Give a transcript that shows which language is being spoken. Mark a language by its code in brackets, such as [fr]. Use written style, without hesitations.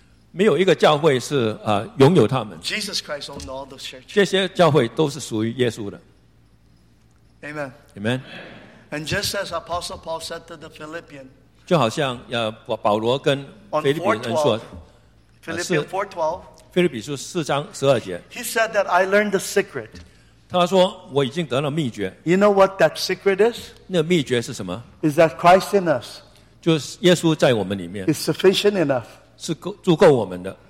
[zh] 没有一个教会是, 拥有他们。 [en] Jesus Christ owned all those churches. [zh] 这些教会都是属于耶稣的。 [en] Amen. Amen. And just as Apostle Paul said to the Philippians, [zh] 就好像, 保罗跟菲律宾人说, [en] Philippians 4:12, he said that I learned the secret. [zh] 他说我已经得了秘诀。 [en] You know what that secret is? [zh] 那秘诀是什么? [en] Is that Christ in us. [zh] 就是耶稣在我们里面, [en] is sufficient enough [zh] 是足够我们的,